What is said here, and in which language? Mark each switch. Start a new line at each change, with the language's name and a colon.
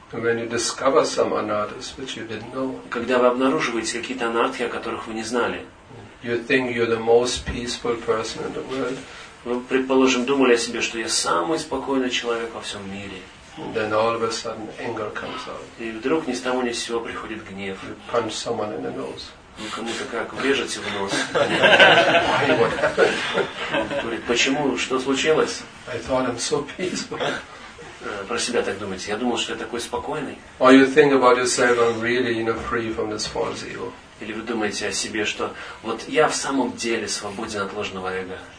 English: When you discover some anarthas, which you didn't know.
Russian: Когда вы обнаруживаете какие-то анартхи, о которых вы не знали.
English: You think you're the most peaceful person in the world.
Russian: Вы, предположим, думали о себе, что я самый спокойный человек во всем мире.
English: Then all of a sudden anger comes out.
Russian: И вдруг ни с того ни с сего приходит гнев.
English: You punch someone in the nose.
Russian: Вы кому-то как врежете в нос.
English: Why, what happened?
Russian: Он говорит, почему, что случилось?
English: I thought I'm so peaceful.
Russian: Про себя так думаете? Я думал, что я такой спокойный.
English: Or you think about yourself, I'm really, you know, free from this false ego.
Russian: Или вы думаете о себе, что вот я в самом деле свободен от ложного эго.